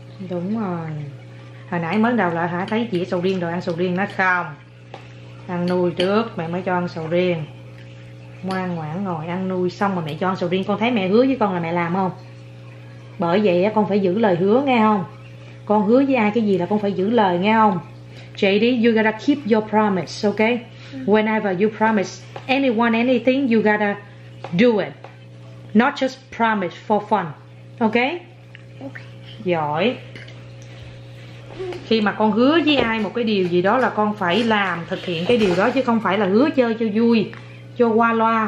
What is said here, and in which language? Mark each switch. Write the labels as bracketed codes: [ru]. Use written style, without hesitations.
[vi] Đúng rồi. Hồi nãy mới đầu lại hả, thấy chỉ sầu riêng rồi ăn sầu riêng nó không. Ăn nuôi trước mẹ mới cho ăn sầu riêng. Ngoan ngoãn ngồi ăn nuôi xong rồi mẹ cho ăn sầu riêng. Con thấy mẹ hứa với con là mẹ làm không? Bởi vậy con phải giữ lời hứa nghe không? Con hứa với ai cái gì là con phải giữ lời nghe không? [en] JD, you gotta keep your promise, okay? Whenever you promise anyone anything, you gotta do it. Not just promise for fun, okay? [vi] Giỏi. Khi mà con hứa với ai một cái điều gì đó là con phải làm, thực hiện cái điều đó, chứ không phải là hứa chơi cho vui, cho qua loa.